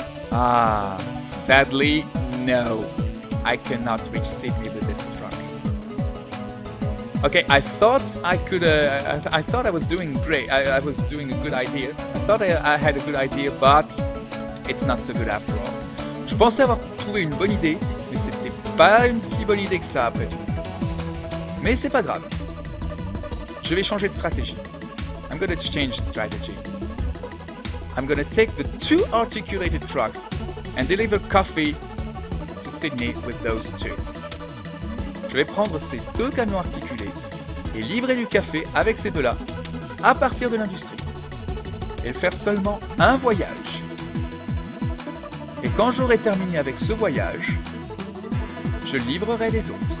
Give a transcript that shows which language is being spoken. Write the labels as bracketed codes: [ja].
[en] Ah, sadly, no. I cannot reach Sydney with this truck. Okay, I thought I could. I thought I was doing great. I was doing a good idea. I thought I had a good idea, but it's not so good after all. [fr] Je pensais avoir trouvé une bonne idée, mais c'était pas une si bonne idée que ça après tout. Mais c'est pas grave. Je vais changer de stratégie. [en] I'm gonna change strategy. I'm gonna take the two articulated trucks and deliver coffee to Sydney with those two. [fr] Je vais prendre ces deux camions articulés et livrer du café avec ces deux-là à partir de l'industrie et faire seulement un voyage. Et quand j'aurai terminé avec ce voyage, je livrerai les autres.